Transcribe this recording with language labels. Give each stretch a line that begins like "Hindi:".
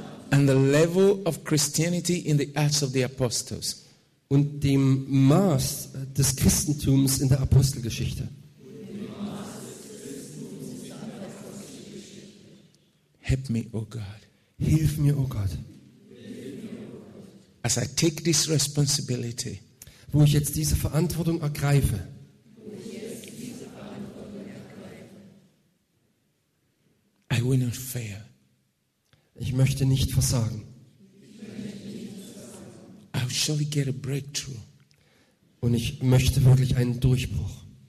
English: And the level of Christianity in the Acts of the Apostles.
German: Und dem Maß des Christentums in der Apostelgeschichte.
English: Help me, O God.
German: Hilf mir, O Gott.
English: As I take this responsibility,
German: wo ich jetzt diese Verantwortung ergreife,
English: I will not fail.
German: Ich möchte nicht versagen.
English: I will surely get a breakthrough.
German: Und ich möchte wirklich einen Durchbruch.